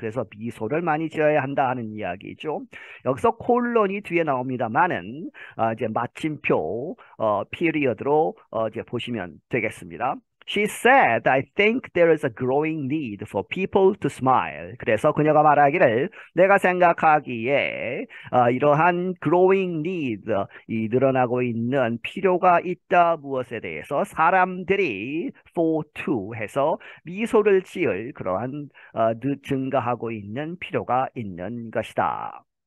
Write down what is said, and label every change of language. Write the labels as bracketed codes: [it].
[ko] 그래서 미소를 많이 지어야 한다 하는 이야기죠. 여기서 콜론이 뒤에 나옵니다만은 이제 마침표 피리어드로 이제 보시면 되겠습니다. [en] She said, I think there is a growing need for people to smile. [ko] 그래서 그녀가 말하기를 내가 생각하기에 이러한 [en] growing need, [ko] 이 늘어나고 있는 필요가 있다 무엇에 대해서 사람들이 for to 해서 미소를 지을 그러한 증가하고 있는 필요가 있는 것이다.